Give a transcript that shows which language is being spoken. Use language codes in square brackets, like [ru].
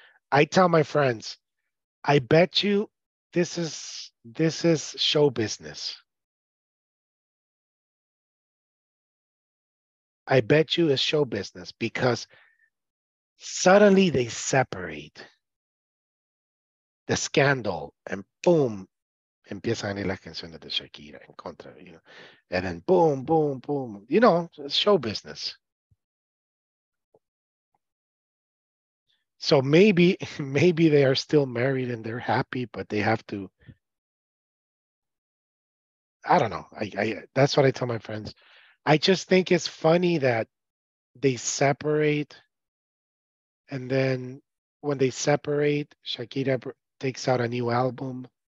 [en] I tell my friends, I bet you this is show business. I bet you it's show business because suddenly they separate the scandal and boom. [es] Empiezan las canciones de Shakira en contra, you know. [en] And then boom, boom, boom. You know, it's show business. So maybe they are still married and they're happy, but they have to. I don't know. I that's what I tell my friends. I just think it's funny that they separate, and then when they separate, Shakira takes out a new album.